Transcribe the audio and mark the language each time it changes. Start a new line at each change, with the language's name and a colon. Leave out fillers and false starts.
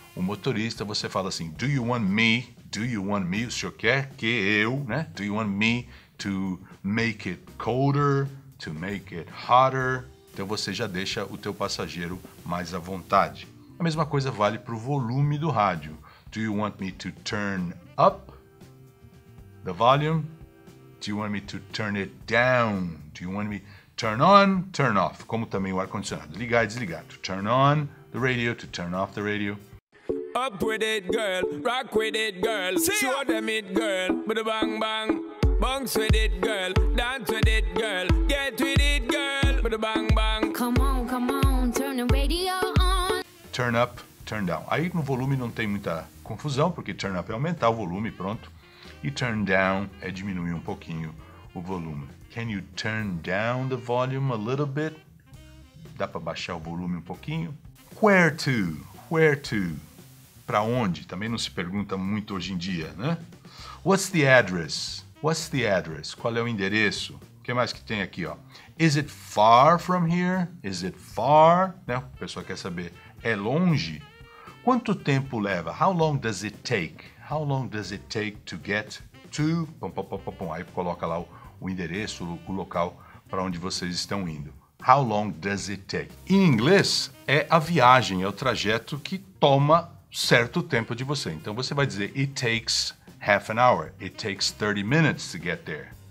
Portuguese: O motorista, você fala assim,
English: do you want me,
Portuguese: o senhor quer que eu, né?
English: Do you want me to make it colder, to make it hotter.
Portuguese: Então você já deixa o teu passageiro mais à vontade. A mesma coisa vale para o volume do rádio.
English: Do you want me to turn up the volume? Do you want me to turn it down? Do you want me to turn on, turn off?
Portuguese: Como também o ar-condicionado, ligar e desligar.
English: To turn on the radio, to turn off the radio. Up with it, girl. Rock with it, girl. Show them it, girl. Bada bang bang. Bounce with it, girl. Dance with it, girl. Get with it, girl. Bada bang bang. Come on, come on. Turn the radio on. Turn up, turn down.
Portuguese: Aí no volume não tem muita confusão, porque turn up é aumentar o volume, pronto. E turn down é diminuir um pouquinho o volume.
English: Can you turn down the volume a little bit?
Portuguese: Dá para baixar o volume um pouquinho?
English: Where to? Where to?
Portuguese: Para onde? Também não se pergunta muito hoje em dia, né?
English: What's the address? What's the address?
Portuguese: Qual é o endereço? O que mais que tem aqui, ó?
English: Is it far from here? Is it far?
Portuguese: Né? O pessoal quer saber. É longe? Quanto tempo leva?
English: How long does it take? How long does it take to get to? Pum, pum, pum, pum, pum.
Portuguese: Aí coloca lá o endereço, o local para onde vocês estão indo.
English: How long does it take?
Portuguese: Em inglês, é a viagem, é o trajeto que toma certo tempo de você. Então você vai dizer,
English: it takes half an hour, it takes 30 minutes to get there.